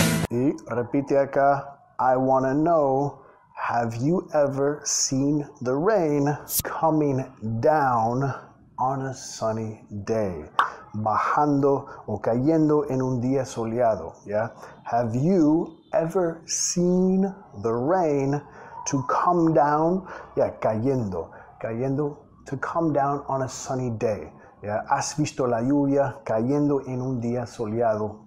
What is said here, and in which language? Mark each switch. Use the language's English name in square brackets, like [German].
[Spanish] Y repite acá, [English] I wanna know, have you ever seen the rain coming down on a sunny day? [Spanish] Bajando o cayendo en un día soleado, yeah? [English] Have you ever seen the rain to come down? Yeah, [Spanish] cayendo, [English] to come down on a sunny day. [Spanish] Yeah, ¿has visto la lluvia cayendo en un día soleado?